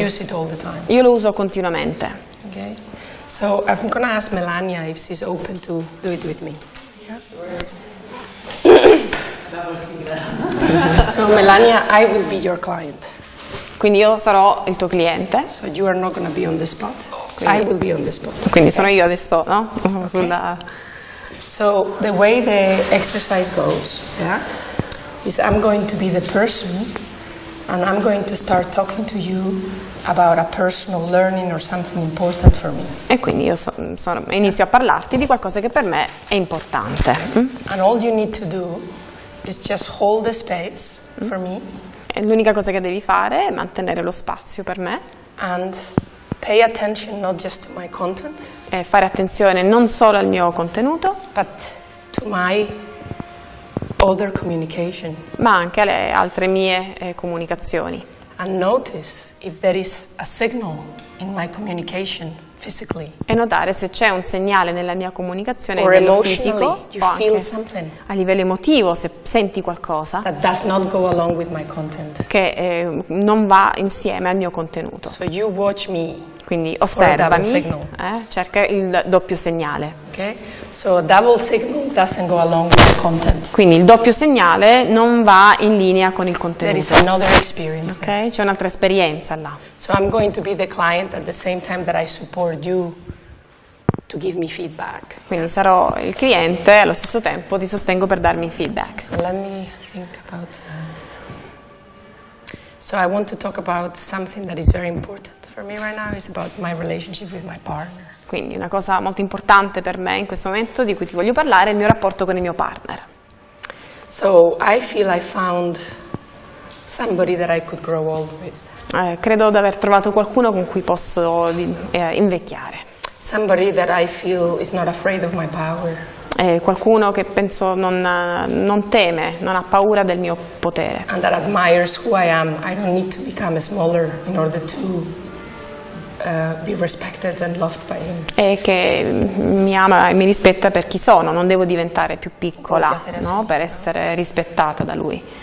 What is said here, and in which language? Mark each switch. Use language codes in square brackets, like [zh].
[en] I use it all the time. [it] Io lo uso continuamente. [en] Okay. So I'm going to ask Melania if she's open to do it with me. So Melania, I will be your client. [it] Quindi io sarò il tuo cliente. [en] So you are not going to be on the spot. Quindi, I will be on the spot. [it] Quindi okay. Sono io adesso, no? Okay. Sulla [en] So the way the exercise goes, yeah, is I'm going to be the person and I'm going to start talking to you about a personal learning or something important for me. [it] E quindi io inizio a parlarti di qualcosa che per me è importante. [en] And all you need to do is just hold the space for me. [it] E l'unica cosa che devi fare è mantenere lo spazio per me. [en] And pay attention not just to my content. [it] E fare attenzione non solo al mio contenuto, [en] but to my other communication. [it] Ma anche alle altre mie comunicazioni. [en] And notice if there is a signal in my communication physically. [it] E notare se c'è un segnale nella mia comunicazione [en] or [it] nello fisico, [en] you feel something. [it] A livello emotivo, se senti qualcosa [en] that does not go along with my content. [it] Che non va insieme al mio contenuto. [en] So you watch me. [it] Quindi osservami, cerca il doppio segnale. [en] Okay. So a double signal doesn't go along with the content. [it] Quindi il doppio segnale non va in linea con il contenuto. [en] There is another experience. [it] Okay. C'è un'altra esperienza là. [en] So I'm going to be the client at the same time that I support you to give me feedback. [it] Quindi sarò il cliente e allo stesso tempo ti sostengo per darmi feedback. [en] So let me think about. So I want to talk about something that is very important. For me right now is about my relationship with my partner. [it] Quindi una cosa molto importante per me in questo momento di cui ti voglio parlare è il mio rapporto con il mio partner. [en] So I feel I found somebody that I could grow old with. [it] Credo di aver trovato qualcuno con cui posso invecchiare. [en] Somebody that I feel is not afraid of my power. [it] Qualcuno che penso non teme, non ha paura del mio potere. [en] And that admires who I am. I don't need to become smaller in order to be respected and loved by him. [it] E che mi ama e mi rispetta per chi sono, non devo diventare più piccola, no, per essere rispettata da lui.